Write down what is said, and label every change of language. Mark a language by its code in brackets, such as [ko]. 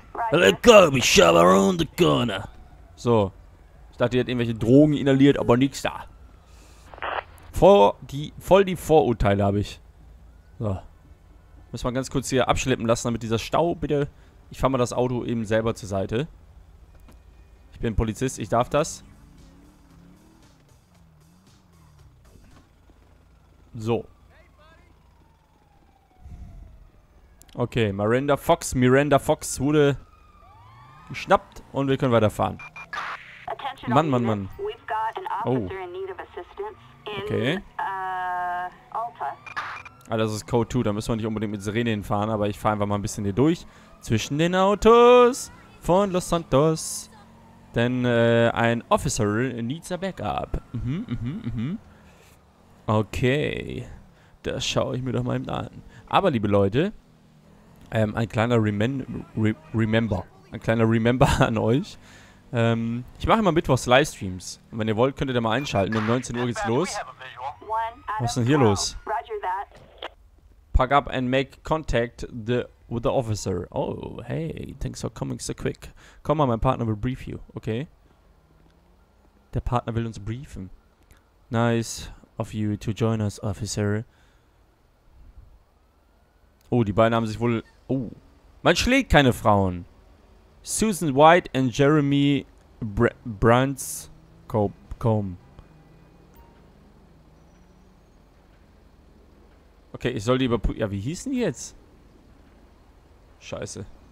[en] Little coffee shop around the corner. So. [de] Ich dachte, die hat irgendwelche Drogen inhaliert, aber nichts da. Voll die Vorurteile habe ich. So. Müssen wir ganz kurz hier abschleppen lassen, damit dieser Stau bitte. Ich fahre mal das Auto eben selber zur Seite. Ich bin Polizist, ich darf das. So. Okay, Miranda Fox wurde geschnappt und wir können weiterfahren. Mann. [en] We've got an officer in need of assistance in, okay. Alta. [de] Ah, das ist Code 2, da müssen wir nicht unbedingt mit Sirene hinfahren, aber ich fahre einfach mal ein bisschen hier durch. Zwischen den Autos von Los Santos. Denn ein Officer [en] needs a backup. [de] Okay, das schaue ich mir doch mal an. Aber liebe Leute, ein kleiner Remember an euch. Ich mache immer Mittwochs Livestreams. Und wenn ihr wollt, könnt ihr da mal einschalten. Um 19 Uhr geht's los. Was ist denn hier los? [en] Pack up and make contact with the officer. Oh, hey, thanks for coming so quick. [de] Komm mal, mein Partner will [en] brief you, okay? [de] Der Partner will uns briefen. [en] Nice of you to join us, officer. [de] Oh, die beiden haben sich wohl... Oh, man schlägt keine Frauen. [en] Susan White and Jeremy Brandscombe. [de] Okay, ich soll die überprüfen. Ja, wie hießen die jetzt? Scheiße.